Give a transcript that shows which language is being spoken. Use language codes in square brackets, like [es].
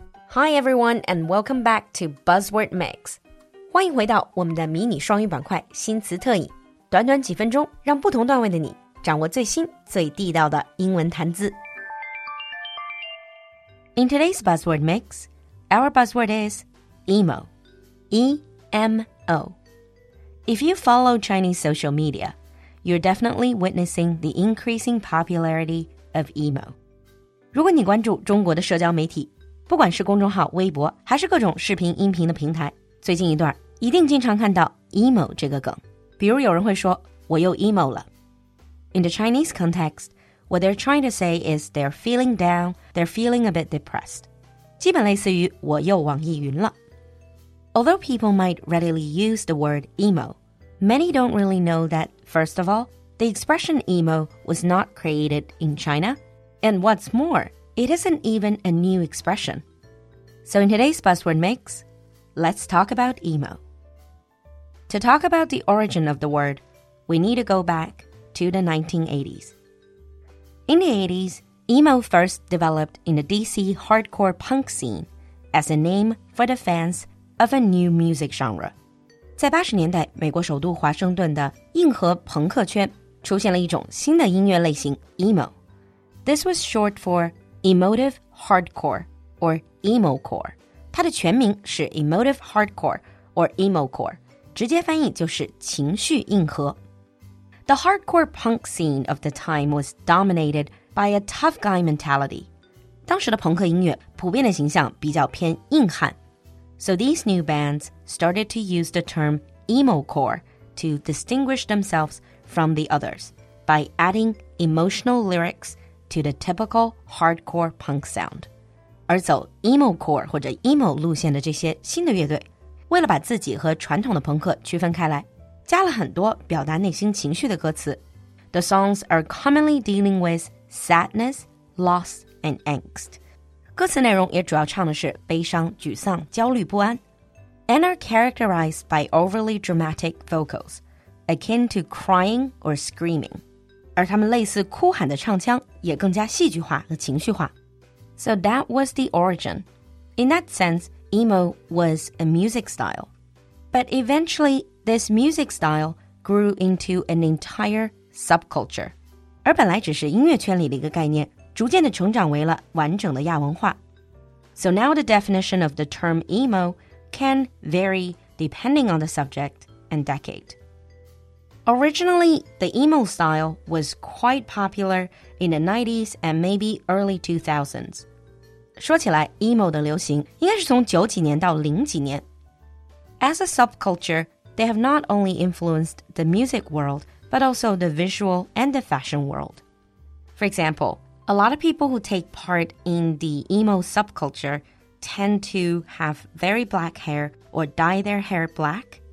[en] Hi everyone, and welcome back to Buzzword Mix. [zh] 欢迎回到我们的迷你双语板块新词特饮。短短几分钟，让不同段位的你掌握最新、最地道的英文谈资。 [en] In today's Buzzword Mix, our buzzword is emo. E-M-O. If you follow Chinese social media, you're definitely witnessing the increasing popularity of emo. [zh] 如果你关注中国的社交媒体，不管是公众号、微博，还是各种视频、音频的平台，最近一段一定经常看到 emo 这个梗。比如有人会说，我又 emo 了。 [en] In the Chinese context, what they're trying to say is they're feeling down, they're feeling a bit depressed. [zh] 基本类似于我又网易云了。 [en] Although people might readily use the word emo, many don't really know that, first of all, the expression emo was not created in China. And what's more,It isn't even a new expression. So in today's Buzzword Mix, let's talk about emo. To talk about the origin of the word, we need to go back to the 1980s. In the 80s, emo first developed in the DC hardcore punk scene as a name for the fans of a new music genre. [zh] 在80年代美国首都华盛顿的硬核朋克圈出现了一种新的音乐类型 emo. [en] This was short forEmotive Hardcore, or Emocore. [zh] 它的全名是 [en] Emotive Hardcore, or Emocore. [zh] 直接翻译就是情绪硬核。 [en] The hardcore punk scene of the time was dominated by a tough guy mentality. [zh] 当时的朋克音乐普遍的形象比较偏硬汉。 [en] So these new bands started to use the term Emocore to distinguish themselves from the others by adding emotional lyrics,to the typical hardcore punk sound. [zh] 而走 emo core 或者 emo 路线的这些新的乐队，为了把自己和传统的朋克区分开来，加了很多表达内心情绪的歌词。 [en] The songs are commonly dealing with sadness, loss, and angst. [zh] 歌词内容也主要唱的是悲伤、沮丧、焦虑、不安。 [en] And are characterized by overly dramatic vocals, akin to crying or screaming. [zh] 而他们类似哭喊的唱腔也更加戏剧化和情绪化。 [en] So that was the origin. In that sense, emo was a music style. But eventually, this music style grew into an entire subculture. [zh] 而本来只是音乐圈里的一个概念，逐渐地成长为了完整的亚文化。 [en] So now the definition of the term emo can vary depending on the subject and decade. Originally, the emo style was quite popular in the 90s and maybe early 2000s. [zh] 说起来 ,emo 的流行应该是从九几年到零几年。 [en] As a subculture, they have not only influenced the music world, but also the visual and the fashion world. For example, a lot of people who take part in the emo subculture tend to have very black hair or dye their hair black.